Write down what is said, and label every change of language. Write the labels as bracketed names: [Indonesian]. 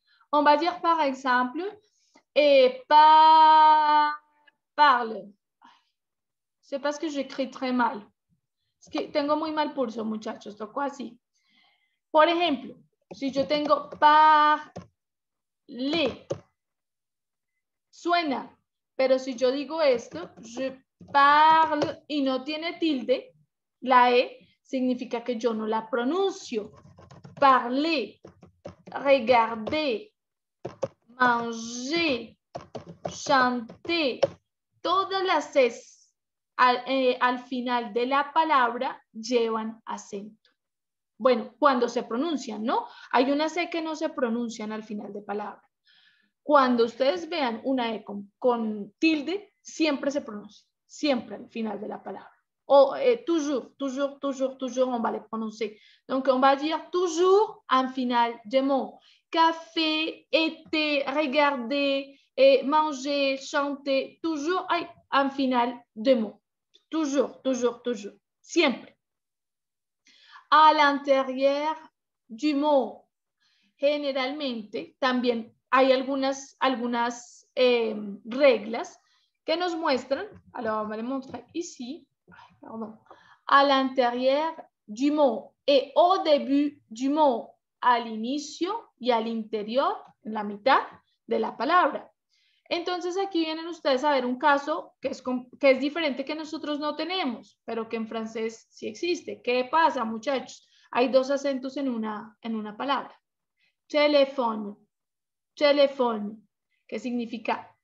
[French] On va dire par exemple et parle. C'est parce que j'écris très mal. [Spanish] Es que tengo muy mal pulso, muchachos. Toco así. Por ejemplo, si yo tengo parle. Suena, pero si yo digo esto, je parle, y no tiene tilde, la E, significa que yo no la pronuncio. Parler, regarder, manger, chanter, todas las S al final de la palabra llevan acento. Bueno, cuando se pronuncian, ¿no? Hay una C que no se pronuncian al final de palabra. Cuando ustedes vean una E con tilde, siempre se pronuncia, siempre al final de la palabra. [French] O toujours, toujours, toujours, toujours, on va le prononcer. Donc, on va dire toujours en final de mot. Café, été, regarder, manger, chanter, toujours en final de mot. Toujours, toujours, toujours, siempre. À l'intérieur du mot, généralement, también. [Spanish] Hay algunas reglas que nos muestran. [French] Alors, on va les montrer ici. Pardon. À l'intérieur du mot et au début du mot, [Spanish] à l'inicio y al interior, en la mitad de la palabra. Entonces aquí vienen ustedes a ver un caso que es diferente, que nosotros no tenemos, pero que en francés sí existe. ¿Qué pasa, muchachos? Hay dos acentos en una palabra. Teléfono. Teléfono. ¿Qué significa?